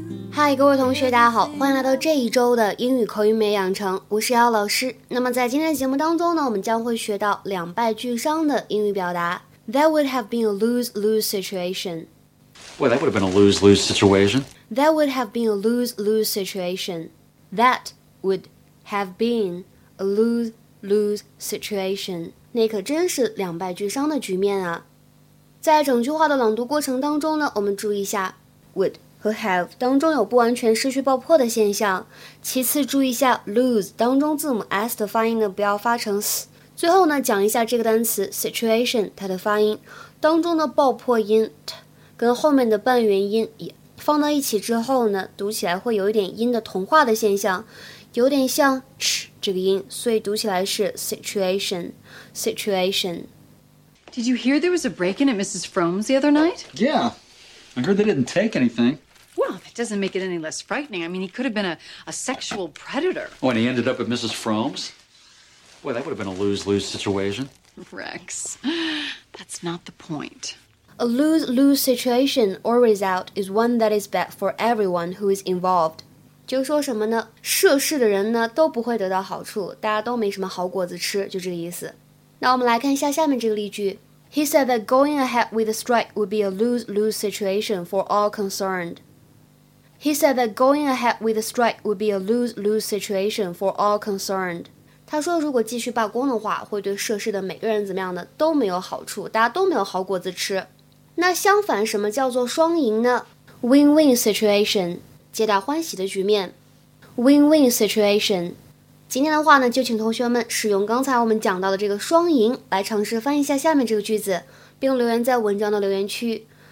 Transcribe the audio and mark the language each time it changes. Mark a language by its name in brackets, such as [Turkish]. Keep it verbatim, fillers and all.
[Chinese] 嗨，各位同学，大家好，欢迎来到这一周的英语口语美养成，我是姚老师。那么在今天的节目当中呢，我们将会学到两败俱伤的英语表达。 [English] That would have been a lose-lose situation. Well, that would have been a lose-lose situation. That would have been a lose-lose situation. That would have been a lose-lose situation. [Chinese] 那可真是两败俱伤的局面啊。在整句话的朗读过程当中呢，我们注意一下 would 和 have 当中有不完全失去爆破的现象，其次注意一下 lose 当中字母 s 的发音呢不要发成 s， 最后呢讲一下这个单词 situation 它的发音当中的爆破音 t 跟后面的半元音也放到一起之后呢，读起来会有一点音的同化的现象，有点像 ch 这个音，所以读起来是 situation situation。 [English] Did you hear there was a break-in at Missus Frome's the other night? Yeah. I heard they didn't take anything. Well, that doesn't make it any less frightening. I mean, he could have been a, a sexual predator. Oh, and he ended up at Missus Frome's? Boy, that would have been a lose-lose situation. Rex, that's not the point. A lose-lose situation or result is one that is bad for everyone who is involved. [Chinese] 就说什么呢？涉事的人呢都不会得到好处，大家都没什么好果子吃，就这个意思。那我们来看一下下面这个例句。 [English] He said that going ahead with the strike would be a lose-lose situation for all concerned. He said that going ahead with the strike would be a lose-lose situation for all concerned. [Chinese] 他说如果继续罢工的话，会对涉事的每个人怎么样呢？都没有好处，大家都没有好果子吃。那相反，什么叫做双赢呢？ [English] Win-win situation， [Chinese] 皆大欢喜的局面。 [English] Win-win situation。 [Chinese] 今天的话呢，就请同学们使用刚才我们讲到的这个双赢来尝试翻译一下下面这个句子，并留言在文章的留言区。